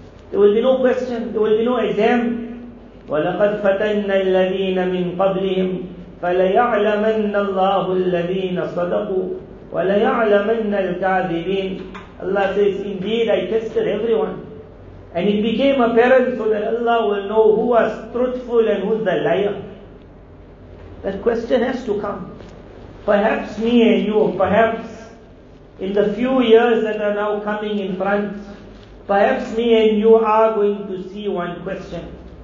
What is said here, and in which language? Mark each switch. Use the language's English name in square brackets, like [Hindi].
[English] There will be no question, there will be no exam. [Arabic] وَلَقَدْ فَتَنَّ الَّذِينَ مِنْ قَبْلِهِمْ فَلَيَعْلَمَنَّ اللَّهُ الَّذِينَ صَدَقُوا وَلَيَعْلَمَنَّ الْكَاذِبِينَ [English] Allah says, indeed I tested everyone. And it became apparent so that Allah will know who was truthful and who is the liar. That question has to come. Perhaps me and you, perhaps in the few years that are now coming in front, perhaps me and you are going to see one question.